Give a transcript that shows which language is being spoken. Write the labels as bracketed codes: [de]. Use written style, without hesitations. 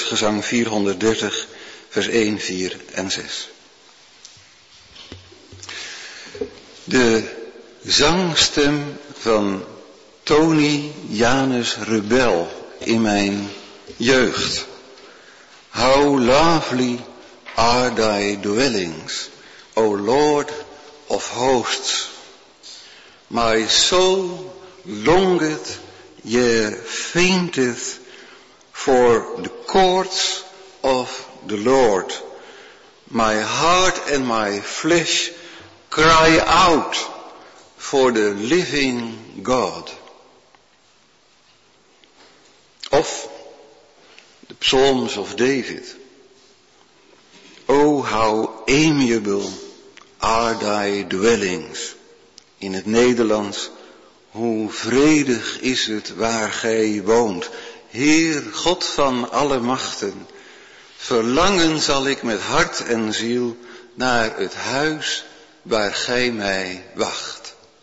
[nl] Gezang 430, vers 1, 4 en 6. De zangstem van Tony Janus Rebel in mijn jeugd. [en] How lovely are thy dwellings, O Lord of hosts. My soul longeth, yea, fainteth for the courts of the Lord. My heart and my flesh cry out for the living God. Of the Psalms of David. Oh, how amiable are thy dwellings. [nl] In het Nederlands, hoe vredig is het waar gij woont. Heer God van alle machten, verlangen zal ik met hart en ziel naar het huis waar gij mij wacht.